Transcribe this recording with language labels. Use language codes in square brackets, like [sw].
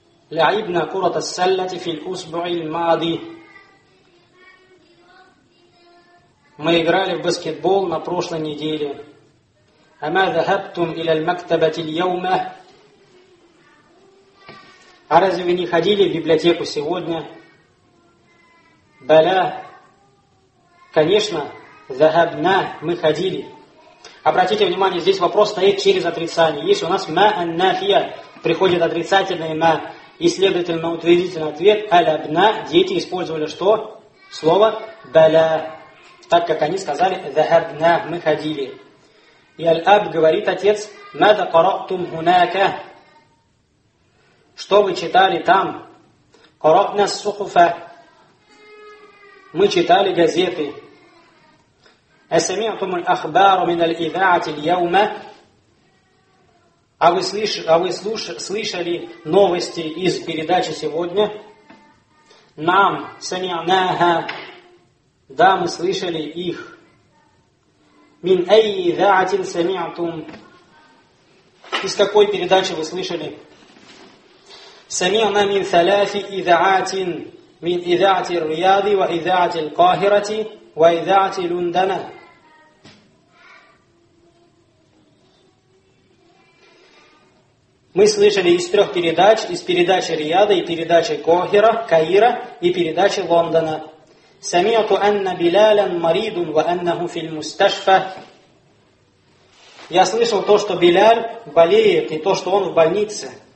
[ar] لعبنا كرة السلة في الأسبوع الماضي. [ru] Мы играли в баскетбол на прошлой неделе. [ar] أما ذهبتم إلى المكتبة اليوم؟ [ru] А разве вы не ходили в библиотеку сегодня? Баля. Конечно, ذهبنا, мы ходили. Обратите внимание, здесь вопрос стоит через отрицание. Если у нас ما النافية, приходит отрицательное ما, и следовательно утвердительный ответ, ألبنا, дети использовали что? Слово баля. Так как они сказали ذهبنا, мы ходили. [ar] И الأب [ru] говорит отец, [ar] ماذا قرأتم هناك? [ru] Что вы читали там? [ar] قرأنا الصحف. [ru] Мы читали газеты. [ar] أسمعتم الأخبار من الإذاعة اليوم? [ru] А вы слышали новости из передачи сегодня? [ar] Нам سمعناها. [ru] Да, мы слышали их. [ar] من أي إذاعة سمعتم? [ru] Из какой передачи вы слышали? [ar] سمعنا من ثلاث إذاعات من إذاعة الرياض وإذاعة القاهرة وإذاعة لندن. [ru] Мы слышали из трех передач, из передачи Рияда и передачи Кохера, Каира и передачи Лондона. [ar] سمعتُ أن بلالاً مريضٌ وأنه في المستشفى. [ru] Я слышал то, что Биляль болеет и то, что он в больнице.